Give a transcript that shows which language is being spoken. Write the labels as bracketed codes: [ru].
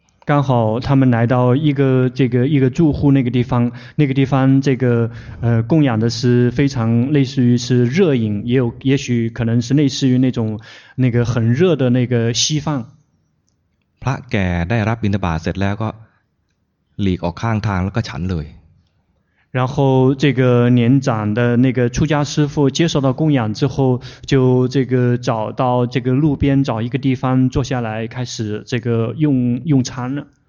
[zh] 刚好他们来到一个这个一个住户那个地方那个地方这个供养的是非常类似于是热饮也有也许可能是类似于那种那个很热的那个稀饭 [th] พระแก่ได้รับบิณฑบาตเสร็จแล้วก็หลีกออกข้างทางแล้วก็ฉันเลย [zh] 然后这个年长的那个出家师父接受到供养之后，就这个找到这个路边找一个地方坐下来，开始这个用餐了。